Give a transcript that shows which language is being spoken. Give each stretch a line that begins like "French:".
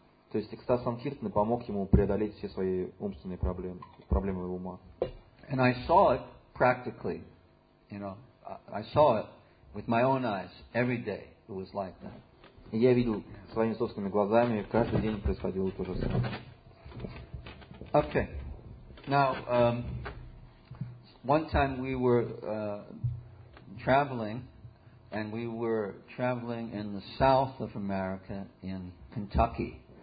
Russian: То есть экстаз санкиртаны помог ему преодолеть все свои умственные проблемы его ума.
English: And I saw it practically, you know, I saw it with my own eyes every day. It was like that.
Russian: Я видел своими собственными глазами, каждый день происходило то же самое.
English: Okay. Now, one time we were traveling, and we were traveling in the south of America, in Kentucky.